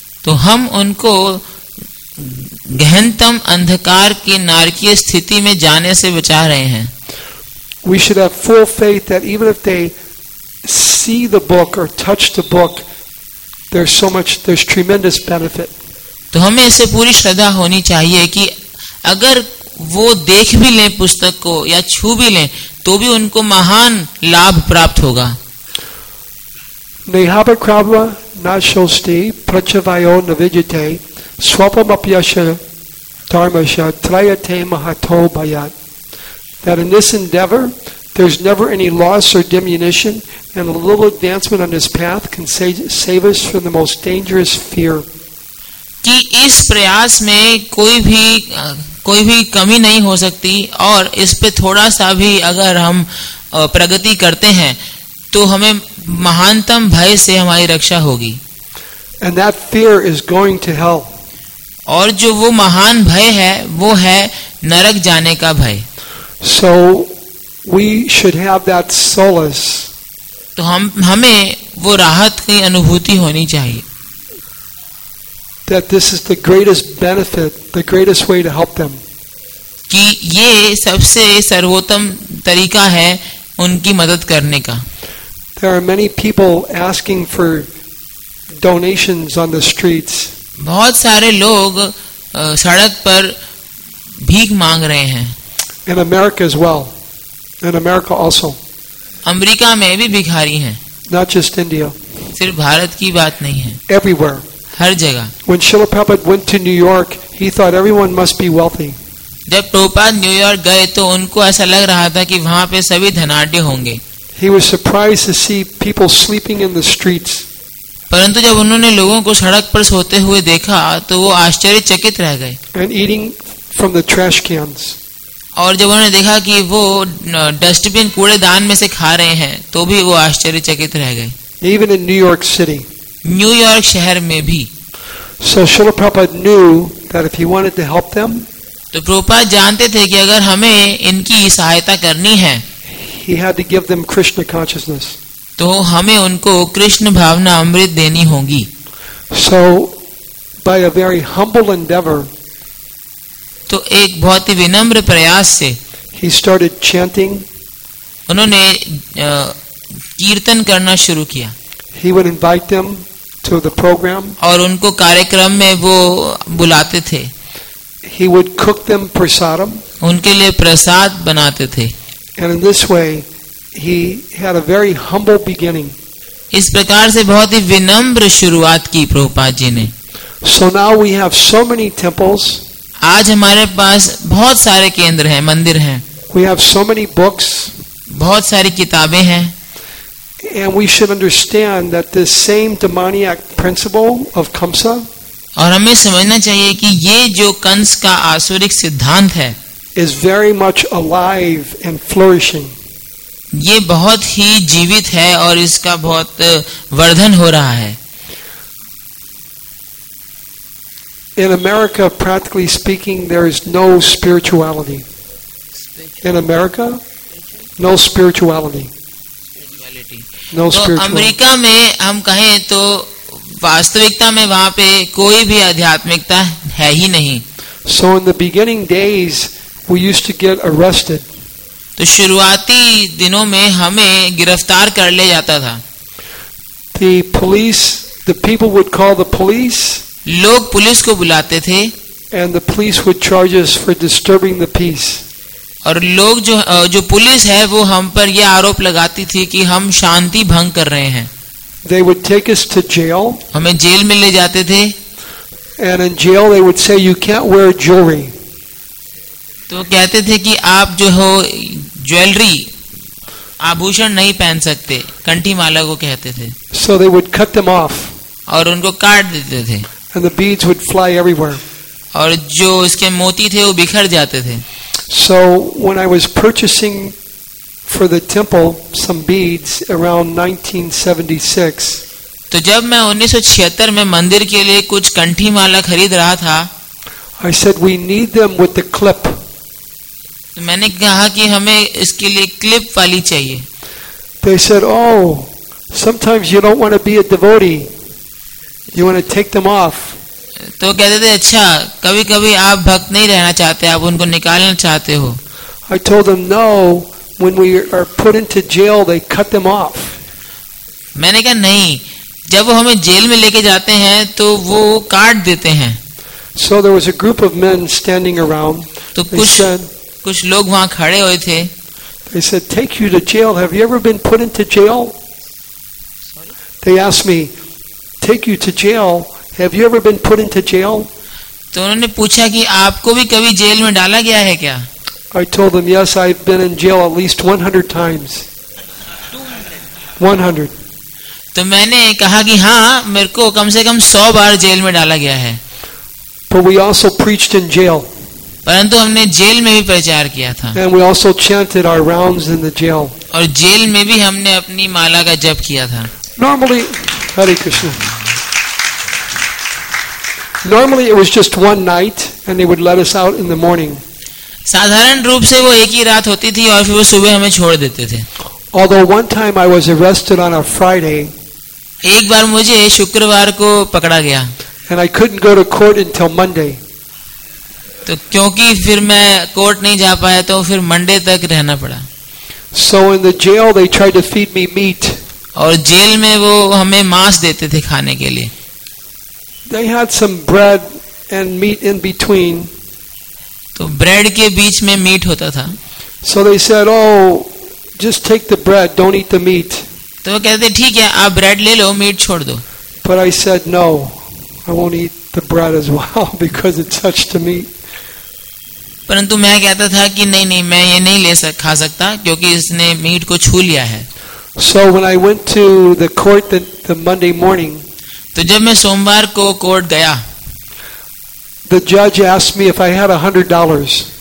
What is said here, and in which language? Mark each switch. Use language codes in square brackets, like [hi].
[hi] तो हम उनको गहनतम अंधकार की नारकीय स्थिति में जाने से बचा रहे हैं. [en] We should have full faith that even if they see the book or touch the book, there's tremendous benefit. [hi] तो हमें ऐसे पूरी श्रद्धा होनी चाहिए कि अगर वो देख भी लें पुस्तक को या छू भी लें तो भी उनको महान लाभ प्राप्त होगा. [sa] Nehaba krava na shosti prachavayo navijate swapamapyasha dharmasha trayate mahato bayat. [en] That in this endeavor there's never any loss or diminution, and a little advancement on this path can save us from the most dangerous fear. [hi] कि इस प्रयास में कोई भी कमी नहीं हो सकती, और इस पे थोड़ा सा भी अगर हम प्रगति करते हैं तो हमें महानतम भय से हमारी रक्षा होगी. [en] And that fear is going to hell. [hi] और जो वो महान भय है वो है नरक जाने का भय. [en] So we should have that solace. [hi] तो हमें वो राहत की अनुभूति होनी चाहिए. [en] That this is the greatest benefit, the greatest way to help them. [hi] कि ये सबसे सर्वोत्तम तरीका है उनकी मदद करने का. [en] There are many people asking for donations on the streets. [hi] बहुत सारे लोग सड़क पर भीख मांग रहे हैं. [en] In America as well. In America also. [hi] America में भी भिखारी हैं. [en] Not just India. [hi] सिर्फ भारत की बात नहीं है. [en] Everywhere. [hi] हर जगह. [en] When Srila Prabhupada went to New York, he thought everyone must be wealthy. [hi] जब प्रभुपाद न्यूयॉर्क गए तो उनको ऐसा लग रहा था कि वहाँ पे सभी धनाढ्य होंगे. [en] He was surprised to see people sleeping in the streets. [hi] परंतु जब उन्होंने लोगों को सड़क पर सोते हुए देखा तो वो आश्चर्यचकित रह गए. [en] And eating from the trash cans. [hi] और जब उन्होंने देखा कि वो डस्टबिन कूड़ेदान में से खा रहे हैं तो भी वो आश्चर्यचकित रह गए. [en] Even in New York City. [hi] New York शहर में भी. [en] So Srila Prabhupada knew that if he wanted to help them, [hi] तो प्रभुपाद जानते थे कि अगर हमें इनकी सहायता करनी है, [en] he had to give them Krishna consciousness. [hi] तो हमें उनको कृष्ण भावना अमृत देनी होगी. [en] So by a very humble endeavor, [hi] तो एक बहुत ही विनम्र प्रयास से, [en] he started chanting. [hi] उन्होंने कीर्तन करना शुरू किया. [en] He would invite them to the program. [hi] और उनको कार्यक्रम में वो बुलाते थे. [en] He would cook them prasadam. [hi] उनके लिए प्रसाद बनाते थे. [en] And in this way, he had a very humble beginning. [hi] इस प्रकार से बहुत ही विनम्र शुरुआत की प्रभुपाद जी ने. [en] So now we have so many temples. [hi] आज हमारे पास बहुत सारे केंद्र हैं, मंदिर हैं. [en] We have so many books. [hi] बहुत सारी किताबें हैं. [en] And we should understand that this same demoniac principle of Kamsa. [hi] और हमें समझना चाहिए कि ये जो कंस का आसुरिक सिद्धांत है, [en] is very much alive and flourishing. [hi] ये बहुत ही जीवित है और इसका बहुत वर्धन हो रहा है. [en] In America, practically speaking, there is no spirituality. In America, no spirituality. No spirituality. [hi] America में हम कहें तो वास्तविकता में वहाँ पे कोई भी आध्यात्मिकता है ही नहीं. [en] So in the beginning days, we used to get arrested. [hi] तो शुरुआती दिनों में हमें गिरफ्तार कर ले जाता था. [en] The police, the people would call the police. [hi] लोग पुलिस को बुलाते थे. [en] And the police would charge us for disturbing the peace. [hi] और लोग जो पुलिस है वो हम पर ये आरोप लगाती थी कि हम शांति भंग कर रहे हैं. [en] They would take us to jail. [hi] हमें जेल में ले जाते थे. [en] And in jail they would say you can't wear jewelry. [hi] तो कहते थे कि आप जो हो ज्वेलरी आभूषण नहीं पहन सकते, कंठी माला को कहते थे. [en] So they would cut them off. [hi] और उनको काट देते थे. [en] And the beads would fly everywhere. [hi] और जो इसके मोती थे वो बिखर जाते थे. [en] So when I was purchasing for the temple some beads around 1976. [hi] तो जब मैं 1976 में मंदिर के लिए कुछ कंठी माला खरीद रहा था, [en] I said we need them with the clip. [hi] तो मैंने कहा कि हमें इसके लिए क्लिप वाली चाहिए. [en] They said, oh, sometimes you don't want to be a devotee. You want to take them off. [hi] तो कहते थे अच्छा कभी कभी आप भक्त नहीं रहना चाहते, आप उनको निकालना चाहते हो. [en] I told them no, when we are put into jail they cut them off. [hi] मैंने कहा नहीं, जब वो हमें जेल में लेके जाते हैं तो वो काट देते हैं. [en] So there was a group of men standing around. [hi] तो कुछ लोग वहां खड़े हुए थे. [en] They said take you to jail, have you ever been put into jail? They asked me take you to jail. Have you ever been put into jail? [hi] तो उन्होंने पूछा कि आपको भी कभी जेल में डाला गया है क्या? [en] I told them yes, I've been in jail at least 100 times. 100. [hi] तो मैंने कहा कि हाँ, मेरे को कम से कम 100 बार जेल में डाला गया है. [en] But we also preached in jail. [hi] परंतु हमने जेल में भी प्रचार किया था. [en] And we also chanted our rounds in the jail. [hi] और जेल में भी हमने अपनी माला का जप किया था. [en] Normally, Hare Krishna. Normally it was just one night and they would let us out in the morning. [hi] साधारण रूप से वो एक ही रात होती थी और फिर वो सुबह हमें छोड़ देते थे. [en] Although one time I was arrested on a Friday. [hi] एक बार मुझे शुक्रवार को पकड़ा गया. [en] And I couldn't go to court until Monday. [hi] तो क्योंकि फिर मैं कोर्ट नहीं जा पाया तो फिर मंडे तक रहना पड़ा. [en] So in the jail they tried to feed me meat. [hi] और जेल में वो हमें मांस देते थे खाने के लिए. [en] They had some bread and meat in between. [hi] तो ब्रेड के बीच में मीट होता था. [en] So they said, "Oh, just take the bread, don't eat the meat." [hi] तो वो कहते ठीक है, आप ब्रेड ले लो, मीट छोड़ दो. [en] But I said, "No, I won't eat the bread as well because it's such to meat." [hi] परंतु मैं कहता था कि नहीं नहीं, मैं ये नहीं ले सक खा सकता क्योंकि इसने मीट को छू लिया है. [en] So when I went to the court the Monday morning. [hi] तो जब मैं सोमवार को कोर्ट गया, [en] the judge asked me if I had $100.